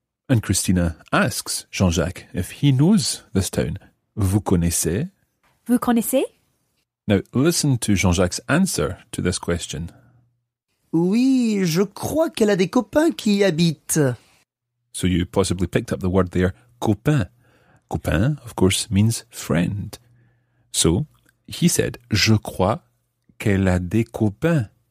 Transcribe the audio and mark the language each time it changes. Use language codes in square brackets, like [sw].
[en] And Christina asks Jean-Jacques if he knows this town. [fr] Vous connaissez? Vous connaissez? [en] Now, listen to Jean-Jacques' answer to this question. [fr] Oui, je crois qu'elle a des copains qui y habitent. [en] So you possibly picked up the word there, copain. Copain, of course, means friend. So, he said, [fr] je crois qu'elle a des copains.